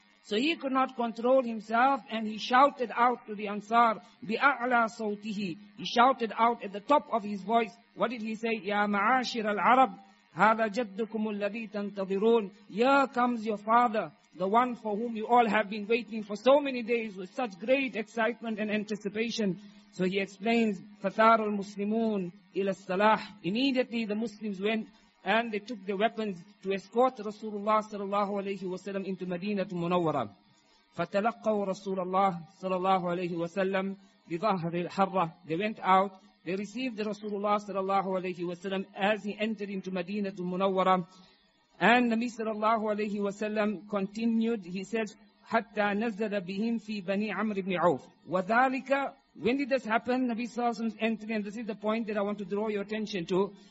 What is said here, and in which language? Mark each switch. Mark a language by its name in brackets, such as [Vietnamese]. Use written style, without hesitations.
[English] So he could not control himself and he shouted out to the Ansar, [Arabic] بِأَعْلَى صَوْتِهِ. [English] He shouted out at the top of his voice. What did he say? [Arabic] يَا مَعَاشِرَ الْعَرَبِ. هَذَا جَدُّكُمُ الَّذِي تَنْتَظِرُونَ. [English] Here comes your father, the one for whom you all have been waiting for so many days with such great excitement and anticipation. So he explains, [Arabic] فَثَارُ الْمُسْلِمُونَ إِلَى الصَّلَاحِ. [English] Immediately the Muslims went and they took their weapons to escort Rasulullah sallallahu alayhi wa sallam into Madinatul Munawwara. [Arabic] فَتَلَقَّوا رَسُولَ اللَّهِ sallallahu alayhi wa sallam بِظَهْرِ الْحَرَّةِ. [English] They went out. They received Rasulullah sallallahu alayhi wa sallam as he entered into Madinatul Munawwara. And Nabi sallallahu alayhi wa sallam continued, he says, [Arabic] حتى نزل بهم في بني عمرو بن عوف. [English] وذلك, when did this happen? Nabi sallallahu alayhi wa sallam's entry, and this is the point that I want to draw your attention to.